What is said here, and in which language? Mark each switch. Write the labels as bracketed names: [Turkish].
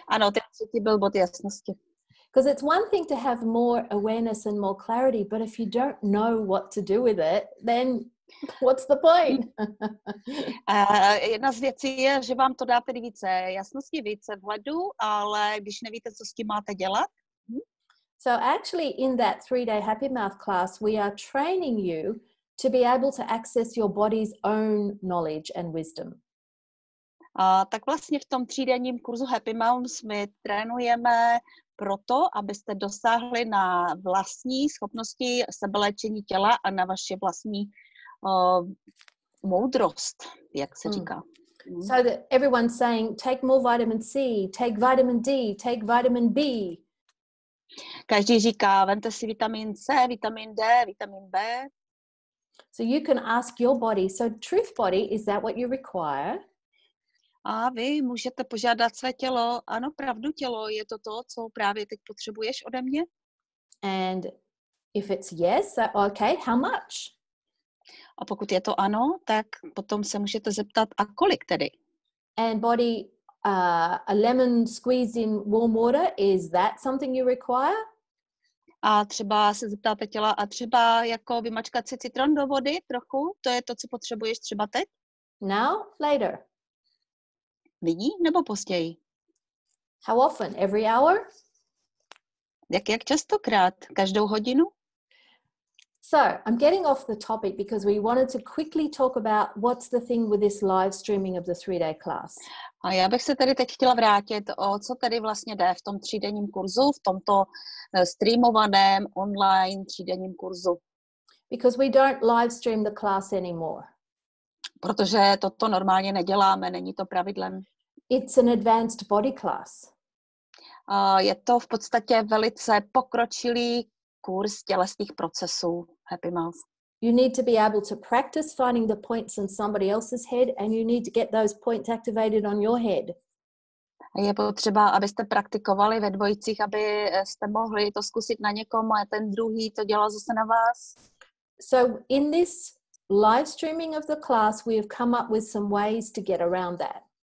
[Czech] Ano, ten třetí byl bod jasnosti. [English] Because it's one thing to have more awareness and more clarity, but if you don't know what to do with it, then what's the point? [Czech] Jedna z věcí je, že vám to dá tedy více jasnosti, více vhledu, ale když nevíte, co s tím máte dělat. [English] So actually in that 3-day Happy Mouth class, we are training you to be able to access your body's own knowledge and wisdom. [Czech] Tak vlastně v tom 3-denním kurzu Happy Mouth my trénujeme proto, abyste dosáhli na vlastní schopnosti sebeléčení těla a na vaše vlastní moudrost, jak se říká. [English] So that everyone's saying, take more vitamin C, take vitamin D, take vitamin B. [Czech] Každý říká, vemte si vitamin C, vitamin D, vitamin B. [English] So you can ask your body, so truth body, is that what you require? [Czech] A vy můžete požádat své tělo, ano, pravdu tělo, je to to, co právě teď potřebuješ ode mě? [English] And if it's yes, okay, how much? [Czech] A pokud je to ano, tak potom se můžete zeptat, a kolik tedy? [English] And body, a lemon squeezed in warm water, is that something you require? [Czech] A třeba se zeptáte těla, a třeba jako vymačkat si citron do vody trochu, to je to, co potřebuješ třeba teď? [English] Now, later. [Czech] Nyní nebo později? [English] How often? Every hour? [Czech] Jak častokrát? Každou hodinu? [English] So, I'm getting off the topic because we wanted to quickly talk about what's the thing with this live streaming of the three-day class. [Czech] A já bych se tady teď chtěla vrátit, o co tady vlastně jde v tom třídenním kurzu, v tomto streamovaném online třídenním kurzu. [English] Because we don't live stream the class anymore. [Czech] Protože toto normálně neděláme, není to pravidlem. [English] It's an advanced body class. [Czech] A je to v podstatě velice pokročilý kurz tělesných procesů Happy Mouth. [English] You need to be able to practice finding the points in somebody else's head and you need to get those points activated on your head. [Czech] Je potřeba, abyste praktikovali ve dvojicích, abyste mohli to zkusit na někom a ten druhý to dělal zase na vás. [English] So in this live streaming of the class, we have come up with some ways to get around that.